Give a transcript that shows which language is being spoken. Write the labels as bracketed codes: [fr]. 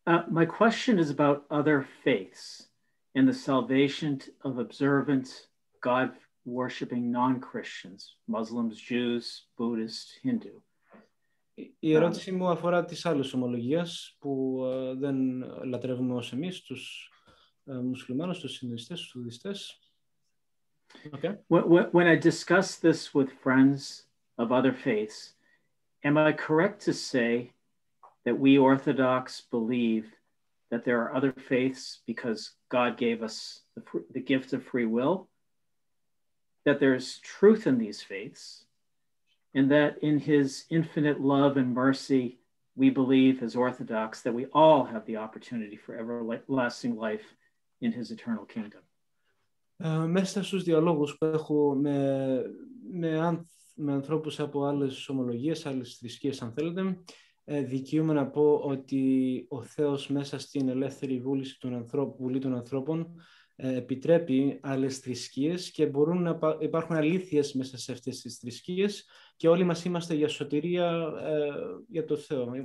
[en] My question is about other faiths and the salvation of observant, God-worshipping non-Christians, Muslims, Jews, Buddhists, Hindu. [el] Η ερώτησή μου αφορά τις άλλες ομολογίες που δεν λατρεύουμε ως εμείς, τους μουσουλμάνους, τους συνδυστές, τους δυστές. [en] Okay. When I discuss this with friends of other faiths, am I correct to say that we Orthodox believe that there are other faiths because God gave us the gift of free will, that there's truth in these faiths, and that in his infinite love and mercy, we believe as Orthodox that we all have the opportunity for everlasting life in his eternal kingdom. [el] Μέσα στους διαλόγους που έχω με ανθρώπους από άλλες ομολογίες, άλλες θρησκείες, αν θέλετε, δικαιούμαι να πω ότι ο Θεός μέσα στην ελεύθερη βούληση των ανθρώπων, βουλή των ανθρώπων επιτρέπει άλλες θρησκείες και μπορούν να υπάρχουν αλήθειες μέσα σε αυτές τις θρησκείες και όλοι μας είμαστε για σωτηρία για το Θεό.